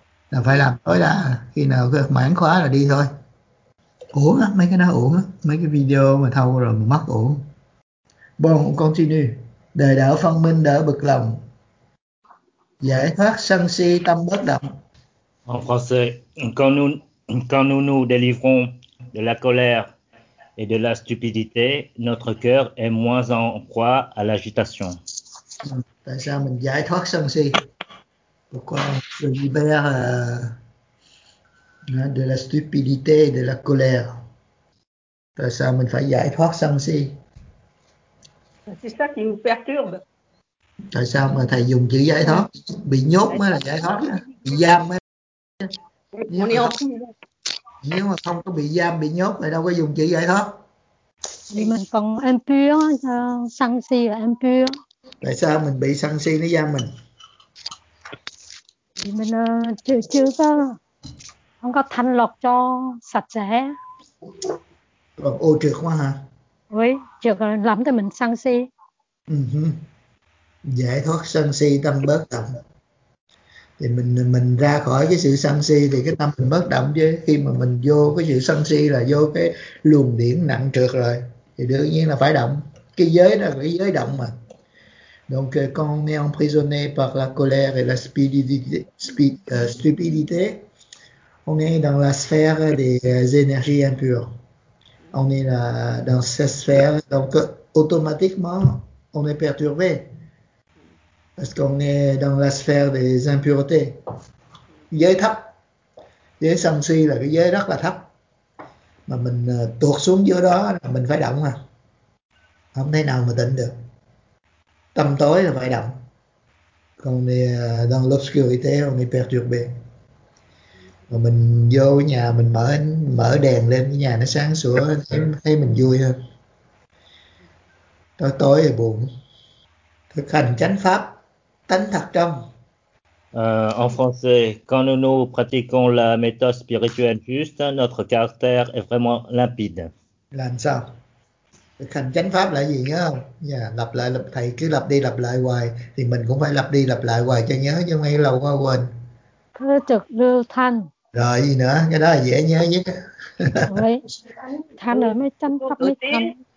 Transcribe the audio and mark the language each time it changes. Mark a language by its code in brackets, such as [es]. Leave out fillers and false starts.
[vi] Là phải làm tối đa, khi nào được mãn khóa là đi thôi. Uổng á, mấy cái đó uổng á, mấy cái video mà thâu rồi mà mất uổng. [fr] Bon, continue. [vi] Đời đạo phân minh đỡ bực lòng. Giải thoát sân si tâm bất động. [fr] En français, quand nous délivrons de la colère et de la stupidité, notre cœur est moins en proie à l'agitation. [vi] Tại sao mình giải thoát sân si? [fr] Pourquoi je libère de la stupidité et de la colère? [vi] Tại sao mình phải giải thoát sân si? [fr] C'est ça qui vous perturbe. [vi] Tại sao mà thầy dùng chữ giải thoát? Bị nhốt mới là giải thoát, bị giam mới. Nếu mà không có bị giam, bị nhốt thì đâu có dùng chữ giải thoát. Vì mình còn sân si là impure. Tại sao mình bị sân si nó giam mình? Vì mình chưa có, không có thanh lọc cho sạch sẽ. Còn ô trượt quá hả? Ôi, trượt lắm thì mình sân si. Giải thoát sân si tâm bớt động thì mình ra khỏi cái sự sân si thì cái tâm mình bớt động, chứ khi mà mình vô cái sự sân si là vô cái luồng điển nặng trượt rồi thì đương nhiên là phải động. Cái giới là cái giới động mà. [fr] Donc quand on est emprisonné par la colère et la stupidité, on est dans la sphère des énergies impures. On est là dans cette sphère, donc automatiquement on est perturbé. Parce qu'on est dans la sphère des impuretés. [vi] Giới thấp. Giới sân si là cái giới rất là thấp. Mà mình tuột xuống dưới đó là mình phải động à. Không thể nào mà tỉnh được. Tâm tối là phải động. [fr] quand on est dans l'obscurité, on est perturbé. [vi] Mà mình vô nhà mình mở đèn lên cái nhà nó sáng sủa thấy mình vui hơn. Tối tối thì buồn. Thực hành chánh pháp, tánh thật trong. [fr] En français, quand nous pratiquons la méthode spirituelle juste, notre caractère est vraiment limpide. [vi] Làm sao? Thực hành chánh pháp là gì nhớ không? Dạ, lặp lại lặp thầy cứ lặp đi lặp lại hoài thì mình cũng phải lặp đi lặp lại hoài cho nhớ chứ ngay lâu quá quên. Thơ trực lưu thanh. Rồi gì nữa? Cái đó là dễ nhớ nhất. Thanh ở mấy chân pháp mấy thanh.